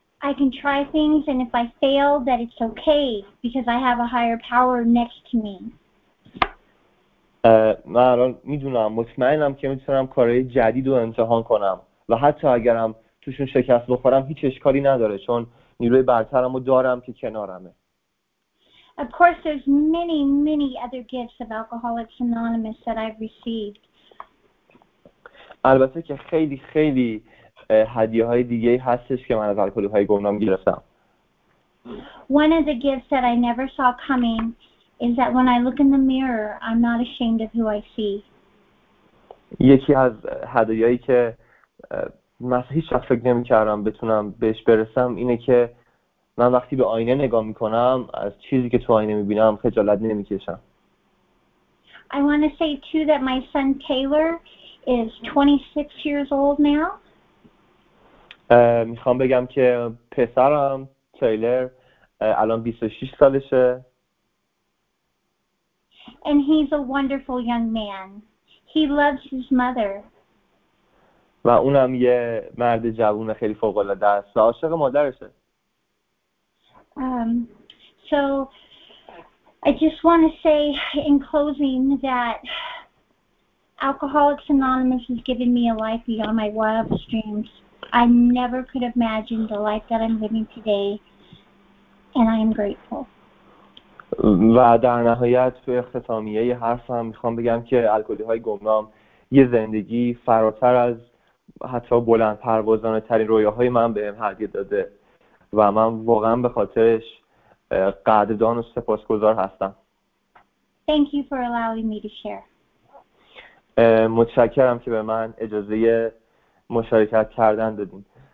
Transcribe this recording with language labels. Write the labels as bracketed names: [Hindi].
[English] I can try things, and if I fail, that it's okay because I have a higher power next to me. [Persian] من الان میدونم، مطمئنم که میتونم کارهای جدید رو امتحان کنم و حتی اگرم توشون شکست بخورم هیچ اشکالی نداره چون نیروی برترم رو دارم که کنارمه. [English] Of course, there's many, many other gifts of Alcoholics Anonymous that I've received. [Persian] البته که خیلی خیلی هدیه‌های دیگه‌ای هستش که من از الکلی‌های گمنام گرفتم. [English] One of the gifts that I never saw coming is that when I look in the mirror, I'm not ashamed of who I see. [Persian] یکی از هدیه‌هایی که من هیچ وقت فکر نمی‌کردم بتونم بهش برسم اینه که من وقتی به آینه نگاه می‌کنم از چیزی که تو آینه می‌بینم خجالت نمی‌کشم. [English] I want to say too that my son Taylor is 26 years old now. [Persian] میخوام بگم که پسرم تیلر الان 26 سالشه. [English] And he's a wonderful young man. He loves his mother. [Persian] و اونم یه مرد جوان خیلی فوق‌العاده است و عاشق مادرشه. [English] So I just want to say in closing that Alcoholics Anonymous has given me a life beyond my wildest dreams. I never could have imagined the life that I'm living today. and I am grateful. [Persian] و در نهایت تو اختتامیه حرفم میخوام بگم که الکلی‌های گمنام یه زندگی فراتر از حتی بلند پروازانه ترین رویاهای من به هدیه داده و من واقعا به خاطرش قدردان و سپاسگزار هستم. [English] Thank you for allowing me to share. [Persian] متشکرم که به من اجازه مشارکت کردن دادین.